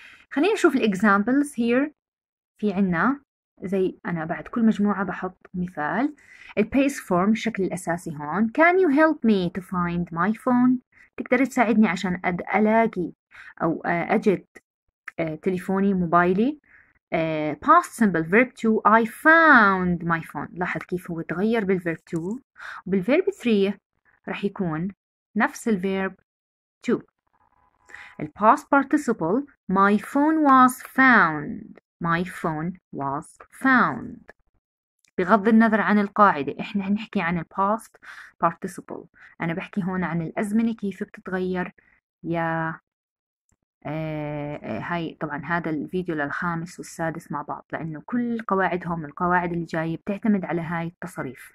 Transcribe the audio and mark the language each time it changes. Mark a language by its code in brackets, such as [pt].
[ar] خلينا نشوف الإكزامبلز هير. في عنا زي أنا بعد كل مجموعة بحط مثال. البيس فورم الشكل الأساسي هون. [en] can you help me to find my phone؟ [ar] تقدر تساعدني عشان ألاقي أو أجد تليفوني موبايلي. [en] past simple verb 2 I found my phone. [ar] لاحظ كيف هو تغير [en] بالverb 2. وبالverb 3 رح يكون [ar] نفس الverb to. [en] The past participle, my phone was found. My phone was found. [ar] بغض النظر عن القاعدة، إحنا هنحكي عن the past participle. أنا بحكي هون عن الأزمنة كيف بتتغير. يا هاي طبعا هذا الفيديو للخامس والسادس مع بعض، لأنه كل قواعدهم القواعد اللي جاية بتعتمد على هاي التصريف.